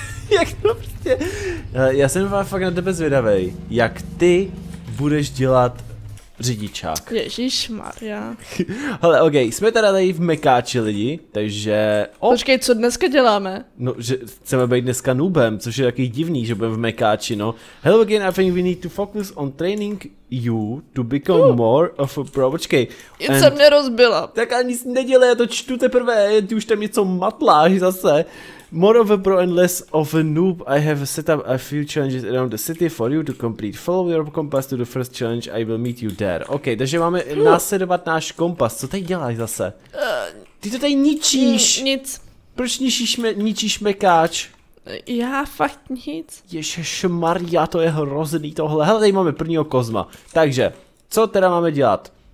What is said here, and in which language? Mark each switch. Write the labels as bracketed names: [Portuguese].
[Czech] Jak to prostě? Já jsem fakt na tebe zvědavej, jak ty budeš dělat řidičák. Ježišmarja. Hele, OK, jsme teda tady v Mekáči lidi, takže... Oh. Počkej, co dneska děláme? No, že chceme být dneska noobem, což je taky divný, že budeme v Mekáči, no. [English] Hello again, I think we need to focus on training you to become more of a pro... [Czech] Počkej. Nic se mě rozbila. Tak ani nic nedělej, já to čtu teprve, ty už tam něco matláš zase. [English] More of a pro and less of a noob, I have set up a few challenges around the city for you to complete. Follow your compass to the first challenge, I will meet you there. [Czech] Ok, takže máme následovat náš kompas, co tady děláš zase? Ty to tady ničíš! Nic. Proč ničíš Mekáč? Já fakt nic. Ježišmarja, to je hrozný tohle. Hele, tady máme prvního Kozma. Takže, co teda máme dělat?